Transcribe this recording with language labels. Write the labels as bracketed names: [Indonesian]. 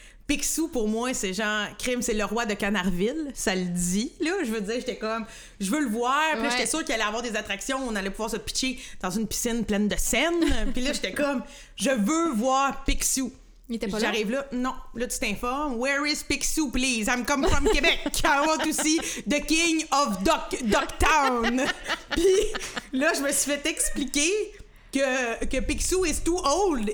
[French] Picsou, pour moi, c'est genre, crime, c'est le roi de Canardville, ça le dit. Là, je veux dire, j'étais comme, je veux le voir. Puis ouais. Là, j'étais sûre qu'il allait avoir des attractions, on allait pouvoir se pitcher dans une piscine pleine de scènes. Puis là, j'étais comme, je veux voir Picsou. Il était pas j'arrive là. Non, là, tu t'informes. [English] Where is Picsou, please? I'm come from Québec. I want to see the king of Ducktown. [French] Puis là, je me suis fait expliquer que Picsou [English] is too old.